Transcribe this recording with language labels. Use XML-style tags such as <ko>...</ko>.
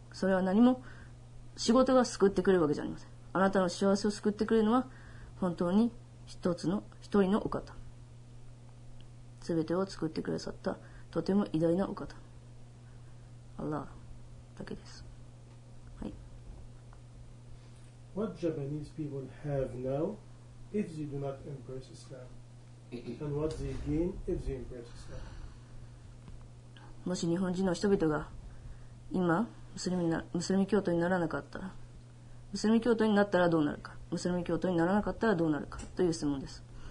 <ja>それは何も仕事が救ってくれるわけじゃありません。あなたの幸せを救ってくれるのは本当に一つの一人のお方、すべてを作ってくださったとても偉大なお方、アラーだけです。はい。</ja> <en>What Japanese people have now if they do not embrace Islam? And what they gain if they embrace Islam?</en> <ja>もし日本人の人々が今ムスリム教徒にならなかったら、ムスリム教徒になったらどうなるか、ムスリム教徒にならなかったらどうなるかという質問です。</ja>